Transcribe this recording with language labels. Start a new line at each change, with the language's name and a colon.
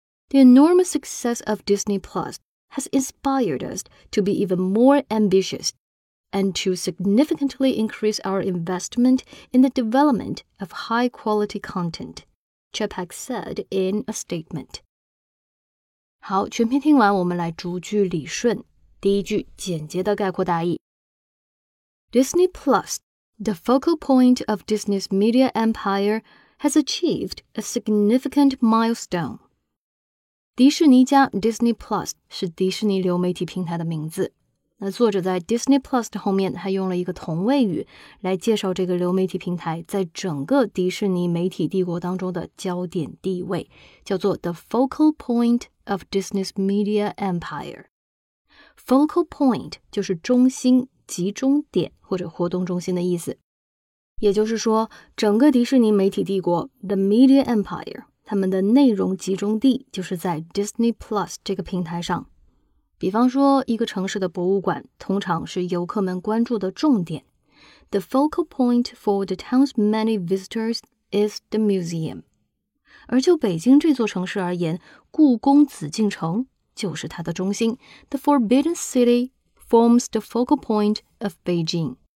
English: The enormous success of Disney Plus has inspired us to be even more ambitious. And to significantly increase our investment in the development of high-quality content, Chapek said in a statement.
Chinese: 好，全篇听完，我们来逐句理顺。第一句，简洁的概括大意。
English: Disney Plus, the focal point of Disney's media empire, has achieved a significant milestone.
Chinese: 迪士尼加 Disney Plus 是迪士尼流媒体平台的名字。那作者在 Disney Plus 的后面还用了一个同位语来介绍这个流媒体平台在整个迪士尼媒体帝国当中的焦点地位，叫做
English: The Focal Point of Disney's Media Empire。
Chinese: Focal Point 就是中心、集中点或者活动中心的意思，也就是说整个迪士尼媒体帝国 The Media Empire 他们的内容集中地就是在 Disney Plus 这个平台上。比方说一个城市的博物馆通常是游客们关注的重点。
English: The focal point for the town's many visitors is the museum.
Chinese: 而就北京这座城市而言，故宫紫禁城就是它的中心。
English: The Forbidden City forms the focal point of Beijing.